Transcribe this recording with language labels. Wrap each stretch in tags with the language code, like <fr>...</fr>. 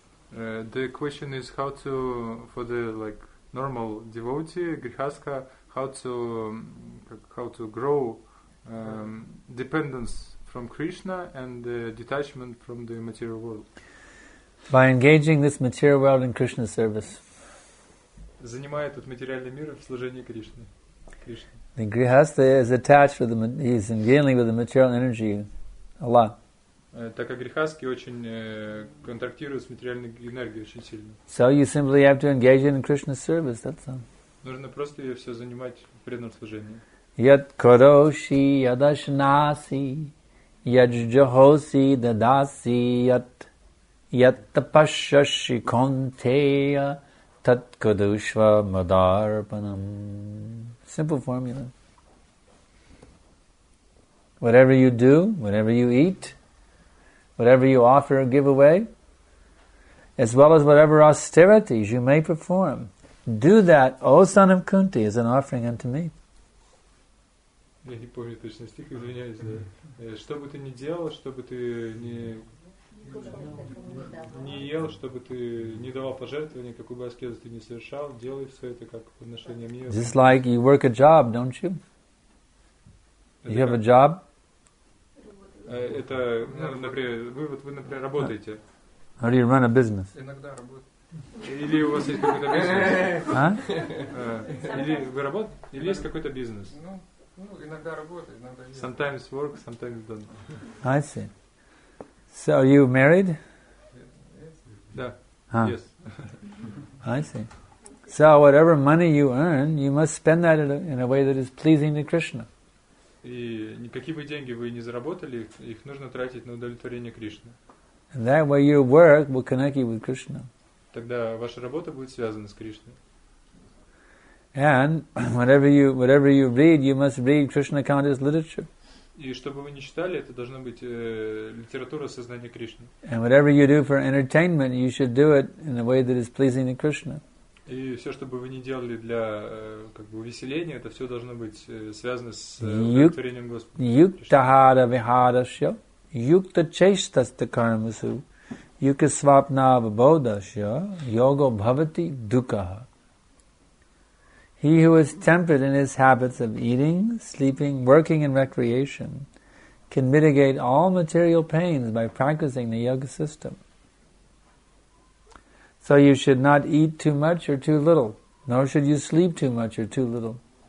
<en>The question is how to for the like normal devotee grihastha how to grow dependence from Krishna and the detachment from the material world. By engaging this material world in Krishna's service.</en> <ru>Занимая этот материальный мир в служении Кришне.</ru> <en>The grihastha is attached with he's dealing with the material energy a lot.</en> <ru>Так как грихаски очень контактируют с материальной энергией очень сильно.</ru> <en>So you simply have to engage in Krishna's service, that's all.</en> <ru>Нужно просто ее все занимать преданным служением.</ru> <sa>Яд кароши, яд ашнаси, яд жжохоси, дадаси, яд, яд тапашаши контея, тат кадушва мадарпанам.</sa> <en>Simple formula. Whatever you do, whatever you eat, whatever you offer or give away, as well as whatever austerities you may perform, do that, O son of Kunti, as an offering unto me.</en> <ru>Я не помню точно стих, извиняюсь. Да. Что бы ты ни делал, что бы ты ни ел, что бы ты ни давал пожертвования, какую бы аскезу ты ни совершал, делай все это как подношение мне.</ru> <en>Just like you work a job, don't you? You have a job?</en> <ru>Это, например, вы, например, работаете.</ru> <en>How do you run a business?</en> <ru>Иногда работаю. Или у вас есть какой-то бизнес? А? Или вы работаете? Или есть какой-то бизнес? Ну, иногда работаю, иногда нет.</ru> <en>Sometimes work, sometimes don't. I see. So are you married?</en> <ru>Да.</ru> <en>Yes. I see. So whatever money you earn, you must spend that in a way that is pleasing to Krishna.</en> <ru>И никакие бы деньги вы не заработали, их нужно тратить на удовлетворение Кришны.</ru> <en>And that way your work will connect you with Krishna.</en> <ru>Тогда ваша работа будет связана с Кришной.</ru> <en>And whatever you read, you must read Krishna conscious literature.</en> <ru>И что бы вы ни читали, это должна быть литература сознания Кришны.</ru> <en>And whatever you do for entertainment, you should do it in a way that is pleasing to Krishna.</en> <ru>И все, что бы вы ни делали для как бы увеселения, это все должно быть связано с творением Господа.</ru> <sa>Юктахара вихарашья, юктачейстаста кармасу, юкасвапна вабодашья, йога бхавати дукаха.</sa> <en>He who is temperate in his habits of eating, sleeping, working and recreation can mitigate all material pains by practicing the yoga system. So you should not eat too much or too little, nor should you sleep too much or too little.</en>